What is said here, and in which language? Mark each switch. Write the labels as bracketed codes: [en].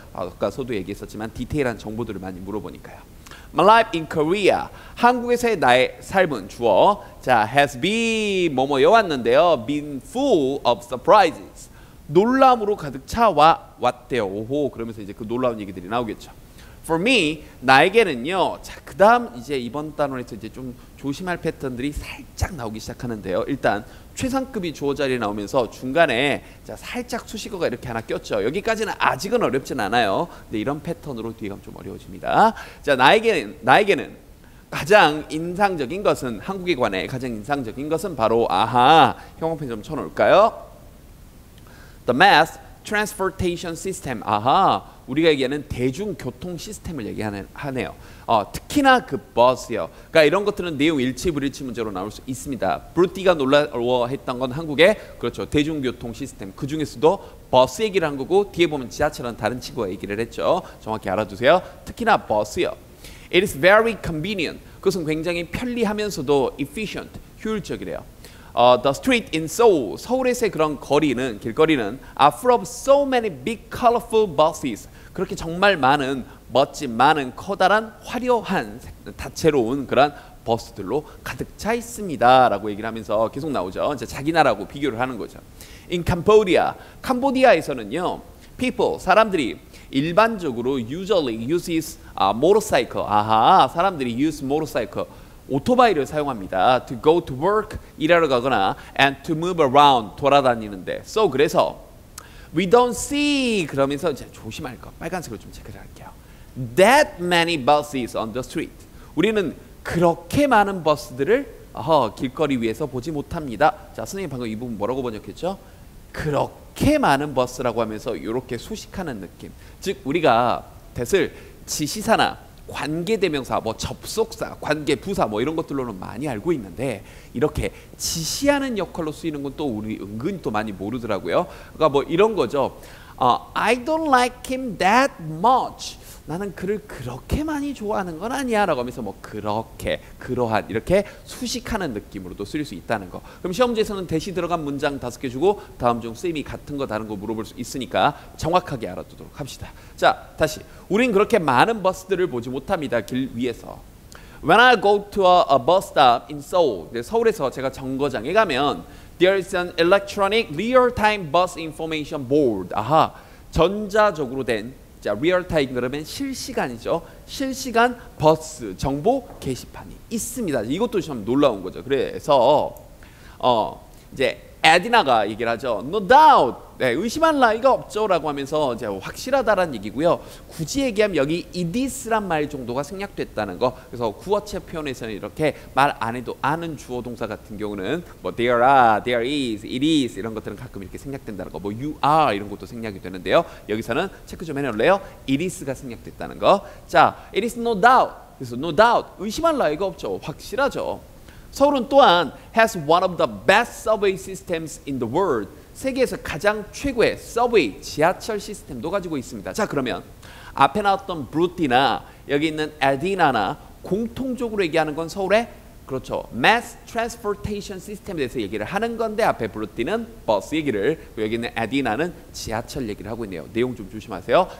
[ko] 아까 서도 얘기했었지만 디테일한 정보들을 많이 물어보니까요. [en] My life in Korea. [ko] 한국에서의 나의 삶은 주어. 자, has been 뭐뭐 여왔는데요. [en] Been full of surprises. [ko] 놀라움으로 가득 차와 왔대요. 오호, 그러면서 이제 그 놀라운 얘기들이 나오겠죠. [en] For me, [ko] 나에게는요. 자, 그 다음 이제 이번 단원에서 이제 좀 조심할 패턴들이 살짝 나오기 시작하는데요. 일단 최상급이 주어 자리에 나오면서 중간에 자, 살짝 수식어가 이렇게 하나 꼈죠. 여기까지는 아직은 어렵진 않아요. 근데 이런 패턴으로 뒤에가 좀 어려워집니다. 자, 나에게는 가장 인상적인 것은, 한국에 관해 가장 인상적인 것은 바로, 아하, 형광펜 좀 쳐놓을까요? [en] The mass transportation system. [ko] 아하, 우리가 얘기하는 대중교통 시스템을 얘기하네요. 특히나 그 버스요. 그러니까 이런 것들은 내용 일치 불일치 문제로 나올 수 있습니다. 브루티가 놀라워했던 건 한국의, 그렇죠, 대중교통 시스템. 그 중에서도 버스 얘기를 한 거고, 뒤에 보면 지하철은 다른 친구가 얘기를 했죠. 정확히 알아두세요. 특히나 버스요. [en] It is very convenient. [ko] 그것은 굉장히 편리하면서도 efficient, 효율적이래요. [en] The street in Seoul, [ko] 서울에서의 그런 거리는, 길거리는 [en] are full of so many big colorful buses. [ko] 그렇게 정말 많은, 멋진 많은 커다란 화려한 다채로운 그런 버스들로 가득 차 있습니다 라고 얘기를 하면서 계속 나오죠. 이제 자기 나라하고 비교를 하는 거죠. [en] In Cambodia, [ko] 캄보디아에서는요, [en] people, [ko] 사람들이 일반적으로 [en] usually uses motorcycle. [ko] 아하, 사람들이 use motorcycle, 오토바이를 사용합니다. [en] To go to work, [ko] 일하러 가거나 [en] and to move around, [ko] 돌아다니는데. So, 그래서 [en] we don't see, [ko] 그러면서 이제 조심할 거, 빨간색으로 좀 체크를 할게요. [en] That many buses on the street. [ko] 우리는 그렇게 많은 버스들을 길거리 위에서 보지 못합니다. 자, 선생님 방금 이 부분 뭐라고 번역했죠? 그렇게 많은 버스라고 하면서 이렇게 수식하는 느낌. 즉, 우리가 that을 지시사나 관계대명사, 뭐 접속사, 관계부사 뭐 이런 것들로는 많이 알고 있는데, 이렇게 지시하는 역할로 쓰이는 건 또 우리 은근히 또 많이 모르더라고요. 그러니까 뭐 이런 거죠. [en] I don't like him that much. [ko] 나는 그를 그렇게 많이 좋아하는 건 아니야 라고 하면서 뭐 그렇게, 그러한 이렇게 수식하는 느낌으로도 쓸 수 있다는 거. 그럼 시험지에서는 대시 들어간 문장 다섯 개 주고 다음 중 쓰임이 같은 거 다른 거 물어볼 수 있으니까 정확하게 알아두도록 합시다. 자, 다시. 우린 그렇게 많은 버스들을 보지 못합니다. 길 위에서. [en] When I go to a bus stop in Seoul, [ko] 서울에서 제가 정거장에 가면 [en] There is an electronic real-time bus information board. [ko] 아하, 전자적으로 된 자, real time 그러면 실시간이죠. 실시간 버스 정보 게시판이 있습니다. 이것도 좀 놀라운 거죠. 그래서 이제 에디나가 얘기를 하죠. [en] No doubt. [ko] 네, 의심할 나위가 없죠라고 하면서 이제 확실하다라는 얘기고요. 굳이 얘기하면 여기 it is란 말 정도가 생략됐다는 거. 그래서 구어체 표현에서는 이렇게 말 안 해도 아는 주어 동사 같은 경우는 뭐 there are, there is, it is 이런 것들은 가끔 이렇게 생략된다는 거. 뭐 you are 이런 것도 생략이 되는데요. 여기서는 체크 좀 해 놓을래요? it is가 생략됐다는 거. [en] 자, it is no doubt. [ko] 그래서 [en] no doubt. [ko] 의심할 나위가 없죠. 확실하죠. 서울은 또한 [en] has one of the best subway systems in the world. [ko] 세계에서 가장 최고의 서브웨이 지하철 시스템도 가지고 있습니다. 자, 그러면 앞에 나왔던 브루티나 여기 있는 에디나나 공통적으로 얘기하는 건 서울의 그렇죠. mass transportation system에 대해서 얘기를 하는 건데 앞에 브루티는 버스 얘기를 여기 있는 에디나는 지하철 얘기를 하고 있네요. 내용 좀 조심하세요.